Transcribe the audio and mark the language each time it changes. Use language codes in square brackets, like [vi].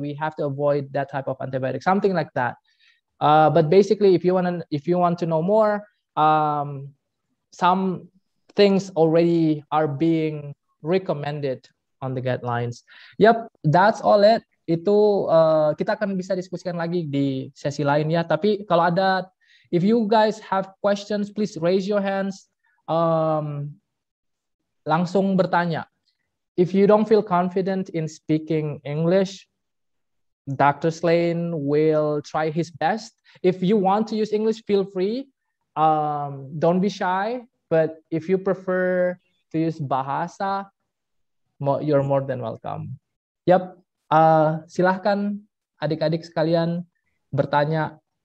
[en] We have to avoid that type of antibiotic, something like that. But basically, if you want to know more, some things already are being recommended on the guidelines. Yep, that's all it. [id] Itu kita akan bisa diskusikan lagi di sesi lain ya. Tapi kalau ada, [en] if you guys have questions, please raise your hands. [id] Langsung bertanya. [en] If you don't feel confident in speaking English, Dr. Slain will try his best. If you want to use English, feel free. Don't be shy. But if you prefer to use Bahasa, you're more than welcome. Yep. [id] Silahkan adik-adik sekalian bertanya.